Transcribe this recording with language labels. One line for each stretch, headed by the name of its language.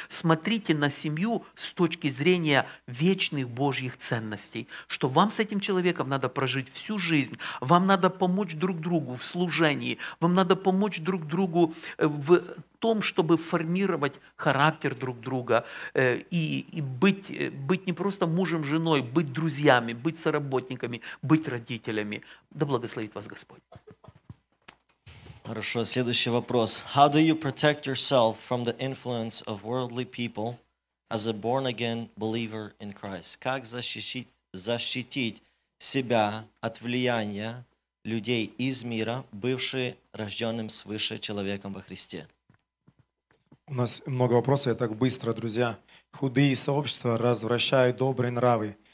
Russian: Смотрите на семью с точки зрения вечных Божьих ценностей, что вам с этим человеком надо прожить всю жизнь, вам надо помочь друг другу в служении, вам надо помочь друг другу в том, чтобы формировать характер друг друга и быть не просто мужем, женой, быть друзьями, быть соработниками, быть родителями. Да благословит вас Господь. Хорошо, следующий вопрос.
English: How do you protect yourself from the influence of worldly people as a born-again believer in Christ?
Russian: Как защитить себя от влияния людей из мира, бывшие рожденным свыше человеком во Христе? У нас много вопросов, я так быстро, друзья. Худые сообщества развращают добрые нравы.